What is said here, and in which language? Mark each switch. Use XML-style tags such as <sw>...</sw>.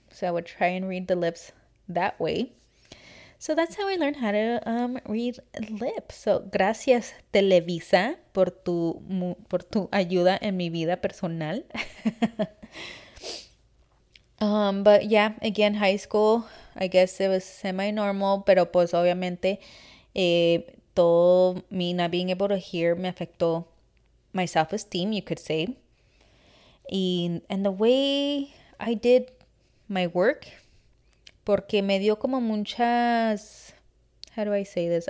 <en>So I would try and read the lips that way. So that's how I learned how to read lips.</en> <es>So gracias Televisa por tu ayuda en mi vida personal.</es> <en>But yeah, again, high school, I guess it was semi-normal,</en> <es>pero pues obviamente todo</es> <en>me not being able to hear me</en> <es>afectó</es> <en>my self-esteem, you could say. And the way I did my work,</en> <es>porque me dio como muchas,</es> <en>how do I say this?</en>